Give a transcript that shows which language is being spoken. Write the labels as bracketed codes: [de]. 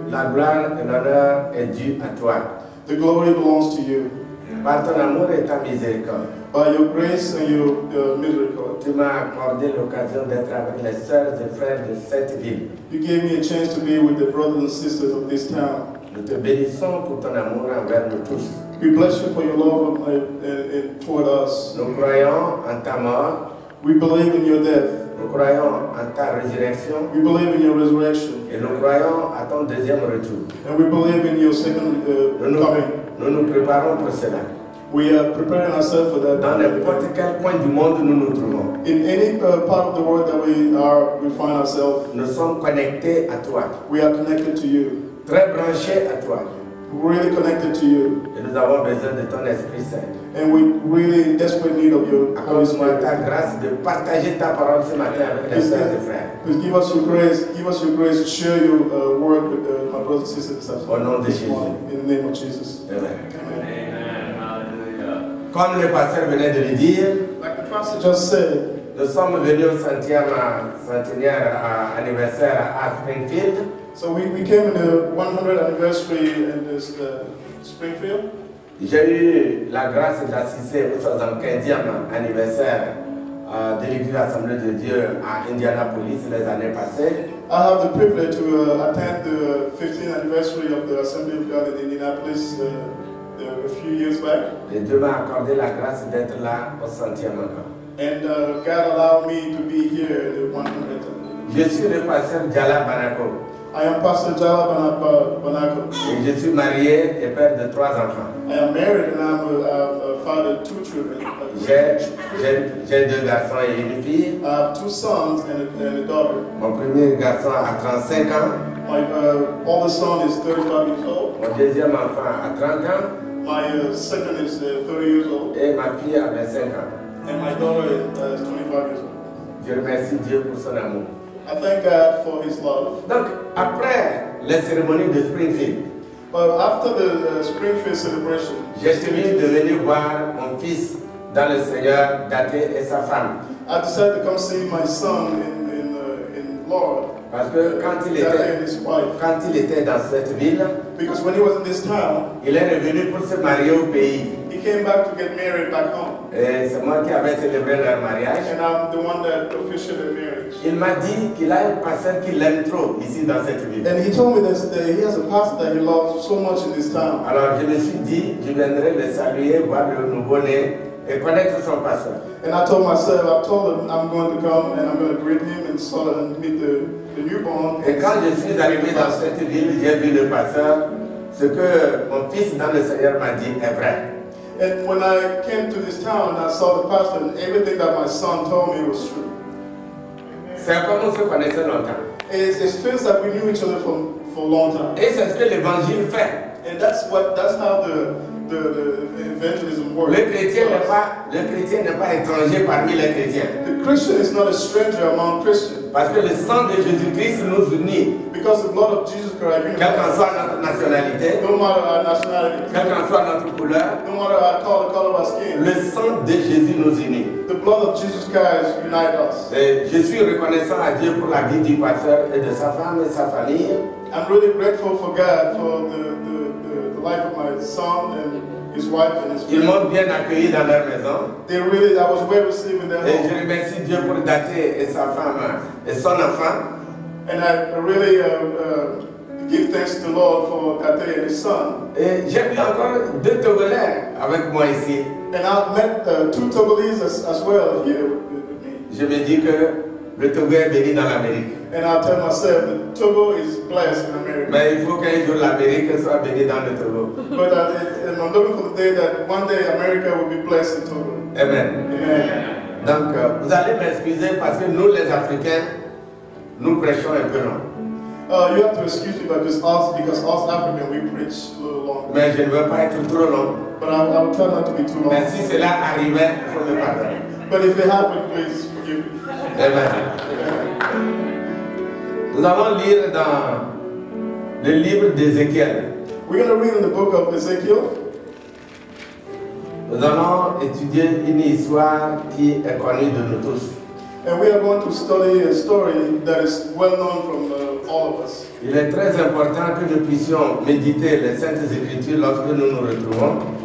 [fr] La gloire et l'honneur est due à toi. [en] The glory belongs to you. [fr] Par ton amour et ta miséricorde. [en] By your grace and your miracle. [fr] Tu m'as accordé l'occasion d'être avec les sœurs et frères de cette ville. [en] You gave me a chance to be with the brothers and sisters of this town. [fr] Nous te bénissons pour ton amour envers nous tous. [en] We bless you for your love and toward us. [fr] Nous croyons en ta mort. [en] We believe in your death. [fr] Nous croyons en ta résurrection. [en] We believe in your resurrection. [fr] Et nous croyons à ton deuxième retour. [en] And we believe in your second coming. [fr] Nous nous préparons pour cela. [en] We are preparing ourselves for that. [fr] Dans n'importe quel point du monde, nous nous trouvons. [en] In any part of the world that we find ourselves. [fr] Nous sommes connectés à toi. [en] We are connected to you. [fr] Très branchés à toi. [en] Really connected to you. [fr] Et nous avons besoin de ton Esprit Saint. [en] And we really in desperate need of you. [fr] Accorde-moi ta grâce de partager ta parole ce matin avec les sœurs et frères. [en] Please give us your grace. Give us your grace. Share your word with my brothers and sisters. [fr] Au nom de Jésus. [en] In the name of Jesus. [fr] Amen. [en] Amen. Hallelujah. [fr] Comme le pasteur venait de le dire. [en] Like the pastor just said. [fr] Nous sommes venus au centenaire anniversaire à Springfield. [en] So we came in the 100th anniversary in this Springfield. [fr] J'ai eu la grâce d'assister au 75e anniversaire de l'Église Assemblée de Dieu à Indianapolis les années passées. [en] I have the privilege to attend the 15th anniversary of the Assembly of God in Indianapolis a few years back. [fr] Et Dieu m'a accordé la grâce d'être là au 100e encore. [en] And God allowed me to be here in the 100th. [fr] Je suis le pasteur Djalla Banako. [en] I am Pastor Djalla Banako. [fr] Et je suis marié et père de trois enfants. [en] I am married and I'm a father of two children. [fr] J'ai deux garçons et une fille. [en] I have two sons and a daughter. [fr] Mon premier garçon a 35 ans. [en] My oldest son is 35 years old. [fr] Mon deuxième enfant a 30 ans. [en] My second is 30 years old. [fr] Et ma fille a 25 ans. [en] And my daughter is 25 years old. [fr] Je remercie Dieu pour son amour. [en] I thank God for His love. [fr] Donc, après la cérémonie de Springfield, [en] but after the Springfield celebration, [fr] j'ai décidé de venir voir mon fils dans le Seigneur, Daté et sa femme. [en] I decided to come see my son in Lord. [fr] Parce que quand il était dans cette ville, [en] because when he was in this town, [fr] il est revenu pour se marier au pays. [en] He came back to get married back home. [fr] Et c'est moi qui avais célébré leur mariage. [en] And I'm the one that officiated the marriage. [fr] Il m'a dit qu'il a un pasteur qui l'aime trop ici dans cette ville. [en] And he told me that he has a pastor that he loves so much in this town. [fr] Alors je me suis dit, je viendrai le saluer, voir le nouveau-né [en] And I told myself, I told him I'm going to come and I'm going to greet him and sort of meet the newborn. [fr] Et quand je suis arrivé dans cette ville, j'ai vu le pasteur. Ce que mon fils dans le Seigneur m'a dit est vrai. [en] And when I came to this town, I saw the pastor, and everything that my son told me was true. [fr] C'est comme on se connaissait longtemps. [en] It feels like we knew each other for a long time. [fr] Et c'est ce que l'évangile fait. [en] And that's how the evangelism works. [fr] Le chrétien n'est pas étranger parmi les chrétiens. [en] The Christian is not a stranger among Christians. [fr] Parce que le sang de Jésus-Christ nous unit. [en] Because the blood of Jesus Christ unites. [fr] Quelle qu'en soit notre nationalité. [en] No matter our nationality. [fr] Quelle qu'en soit notre couleur. [en] No matter our color, of our skin. [fr] Le sang de Jésus nous unit. [en] The blood of Jesus Christ unites us. [fr] Et je suis reconnaissant à Dieu pour la vie du pasteur et de sa femme et sa famille. [en] I'm really grateful for God for the life of my son and his wife and his family. [fr] Ils m'ont bien accueilli dans leur maison. [en] They really, I was well received in their home. [fr] Et je remercie Dieu pour Daté et sa femme et son enfant. [en] And I really give thanks to the Lord for Daté and his son. [fr] Et j'ai vu encore deux Togolais avec moi ici. [en] And I've met two Togolese as well here with me. [fr] Je me dis que le Togo est béni dans l'Amérique. [en] And I tell myself that Togo is blessed in America. [fr] Mais il faut qu'un jour l'Amérique soit bénie dans le Togo. [en] But I'm looking for the day that one day America will be blessed in Togo. [fr] Amen. [en] Amen. [fr] Donc, vous allez m'excuser parce que nous, les Africains, nous prêchons un peu long. [en] You have to excuse me, but just us, because us Africans, we preach a little long. [fr] Mais je ne veux pas être trop long. [en] But I will try not to be too long. [fr] Mais si cela arrivait, faut le pardon. [en] But if it happened, please forgive me. [fr] Amen. Amen. Nous allons lire dans le livre d'Ézéchiel. [en] We're going to read in the book of Ezekiel. [fr] Nous allons étudier une histoire qui est connue de nous tous. [en] And we are going to study a story that is well known from all of us. [fr] Il est très important que nous puissions méditer les Saintes Écritures lorsque nous nous retrouvons.